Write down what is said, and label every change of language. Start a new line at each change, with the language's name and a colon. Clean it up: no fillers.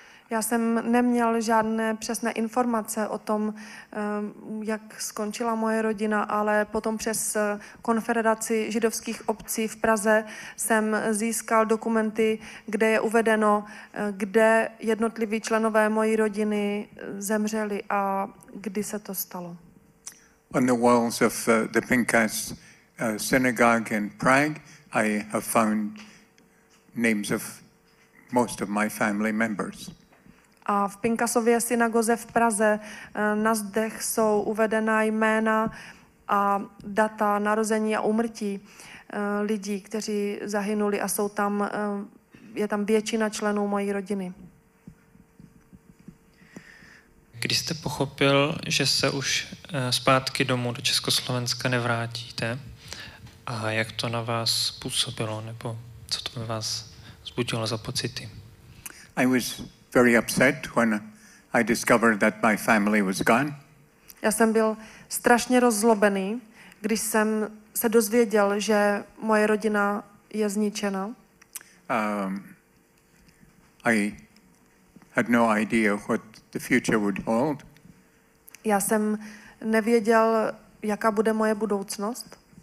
Czech: Já jsem neměl žádné přesné informace o tom, jak skončila moje rodina, ale potom přes Konfederaci židovských obcí v Praze jsem získal dokumenty, kde je uvedeno, kde jednotliví členové mojí rodiny zemřeli a kdy se to stalo.
English: On the walls of the Pinkas synagogue in Prague, I have found names of most of my family members.
Czech: A v Pinkasově synagoze v Praze na zdech jsou uvedena jména a data narození a úmrtí lidí, kteří zahynuli a jsou tam, je tam většina členů mojí rodiny. Když jste pochopil, že se už zpátky domů do Československa nevrátíte, a jak to na vás působilo, nebo co to na vás vzbudilo za pocity?
English: I was very upset when I discovered that my family was gone.
Czech: Já jsem byl strašně rozzlobený, když jsem se dozvěděl, že moje rodina je zničena.
English: I had no idea what the future would hold.
Czech: Já jsem nevěděl, jaká bude moje budoucnost.